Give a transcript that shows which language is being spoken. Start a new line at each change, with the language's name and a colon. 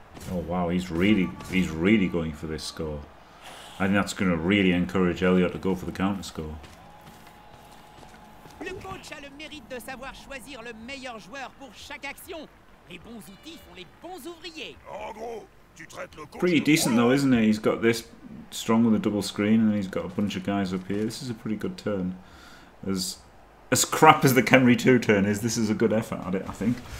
English: Oh wow, he's really going for this score. I think that's going to really encourage Elliot to go for the counter score.
French: Le coach a le mérite de savoir choisir le meilleur joueur pour chaque action. Les bons outils font les bons ouvriers. En gros, tu traites le coach.
English: Pretty decent though, isn't he? He's got this strong with a double screen, and he's got a bunch of guys up here. This is a pretty good turn. As crap as the Khemri 2 turn is, this is a good effort at it, I think.